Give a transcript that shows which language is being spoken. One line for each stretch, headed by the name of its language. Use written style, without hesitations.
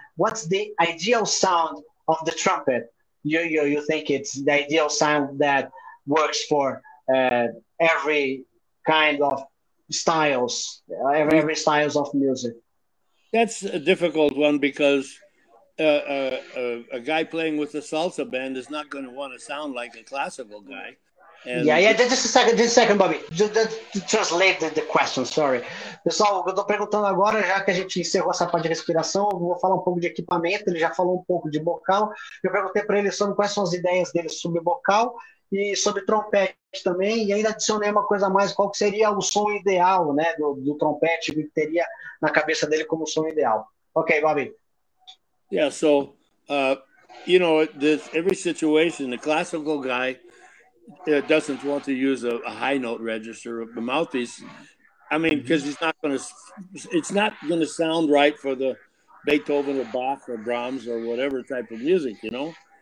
English: What's the ideal sound of the trumpet? You think it's the ideal sound that works for every kind of styles, every styles of music? That's a difficult one, because a guy playing with a salsa band is not going to want to sound like a classical guy. Just a second, Bobby. Just translate the question, sorry.
Portuguese: Pessoal, eu estou perguntando agora, já que a gente encerrou essa parte de respiração, eu vou falar um pouco de equipamento, ele já falou um pouco de bocal. Eu perguntei para ele sobre quais são as ideias dele sobre bocal e sobre trompete também, e ainda adicionei uma coisa a mais, qual que seria o som ideal, né, do trompete, o que teria na cabeça dele como som ideal. Ok, Bobby.
English: Yeah, so you know, this every situation, the classical guy doesn't want to use a high note register of the mouthpiece. I mean, because he's not going to, it's not going to sound right for the Beethoven or Bach or Brahms or whatever type of music, you know?